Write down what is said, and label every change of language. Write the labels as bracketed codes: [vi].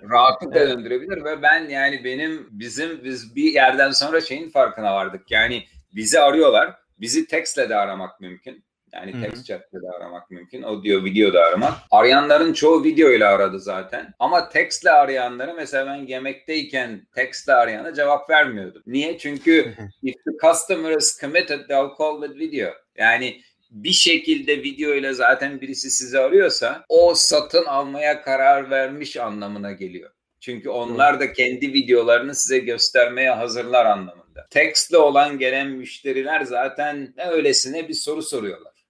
[tr] Rahatlıkla döndürebilir ve ben yani biz bir yerden sonra şeyin farkına vardık. Yani bizi arıyorlar. Bizi text'le de aramak mümkün. Yani text chat'le de aramak mümkün. O diyor video da aramak. Arayanların çoğu video ile aradı zaten. Ama text'le arayanları mesela ben yemekteyken text'le arayana cevap vermiyordum. Niye? Çünkü [en] if the customer is committed they'll call with video. [tr] Yani bir şekilde video ile zaten birisi sizi arıyorsa o satın almaya karar vermiş anlamına geliyor. Çünkü onlar da kendi videolarını size göstermeye hazırlar anlamında. Text'le olan gelen müşteriler zaten ne öylesine bir soru soruyorlar.